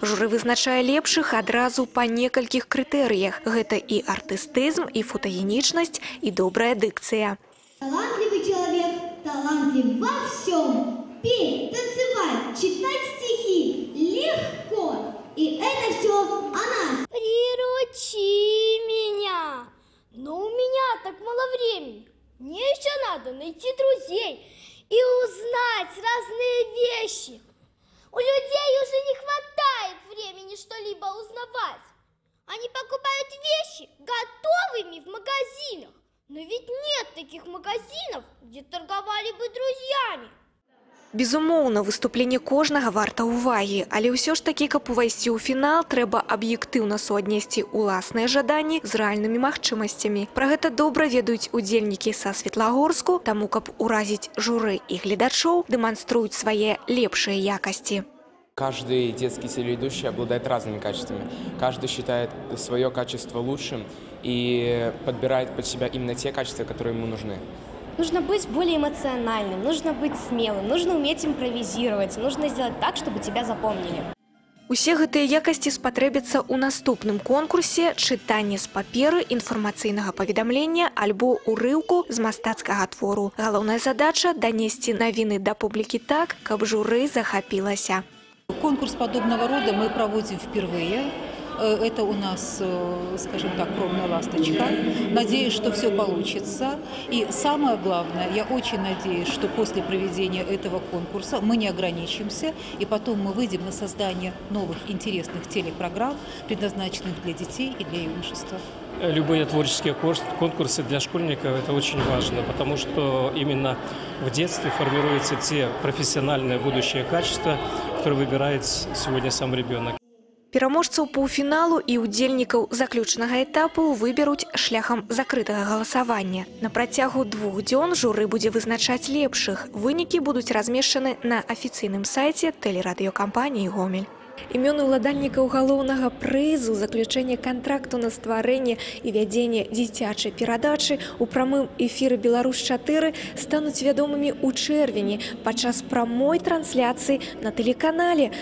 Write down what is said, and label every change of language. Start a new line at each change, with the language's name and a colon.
Belarusian: Журы вызначае лепшых адразу па некалькіх крытэрыях. Гэта і артыстызм, і фотагенічнасць, і добрая дыкцыя. Талантлівы чалавек, талантлівы ва ўсём. Пей, танцывай, чытаць стихі легко. І гэта ўсё она.
Russian: Приручі меня. Но у меня так мало времени. Мне еще надо найти друзей и узнать разные вещи. У людей уже не хватает времени что-либо узнавать. Они покупают вещи готовыми в магазинах. Но ведь нет таких магазинов, где торговали бы друзьями.
Belarusian: Безумоўна, выступленне кожнага варта ўвагі, але ўсё ж такі, каб увайсці ў фінал, трэба аб'ектыўна суаднесці ўласныя жаданні з рэальнымі магчымасцямі. Пра гэта добра ведаюць удзельнікі са Светлагорску, таму каб уразіць журы і гледачоў, дэманструюць свае лепшыя якасці.
Russian: Каждый детский телеведущий обладает разными качествами. Каждый считает своё качество лучшим и подбирает под себя именно те качества, которые ему нужны. Нужно быть более эмоциональным, нужно быть смелым, нужно уметь импровизировать, нужно сделать так, чтобы тебя запомнили.
Belarusian: Усе гэтыя якасці спатрэбяцца ў наступным конкурсе «Чытанне з паперы інфармацыйнага паведамлення альбо ўрыўку з мастацкага твору». Галоўная задача – данесці навіны да публікі так, каб журы захапілася. Конкурс падобнага рода мы праводзім впервые.
Russian: Это у нас, скажем так, кровная ласточка. Надеюсь, что все получится. И самое главное, я очень надеюсь, что после проведения этого конкурса мы не ограничимся, и потом мы выйдем на создание новых интересных телепрограмм, предназначенных для детей и для юношества. Любые творческие конкурсы для школьников – это очень важно, потому что именно в детстве формируются те профессиональные будущие качества, которые выбирает сегодня сам ребенок.
Belarusian: Пераможцаў паўфіналу і ўдзельнікаў заключнага этапу выберуць шляхам закрытага галасавання. На працягу 2 дзён журы будзе вызначаць лепшых. Вынікі будуць размешчаны на афіцыйным сайце тэлерадыёкампаніі «Гомель». Імёны ўладальнікаў галоўнага прызу, заключэнне контракту на стварэнне і вядзенне дзіцячай перадачы ў прамым эфіры «Беларусь-4» стануць вядомымі ў чэрвені падчас прамой трансляцыі на тэлеканале.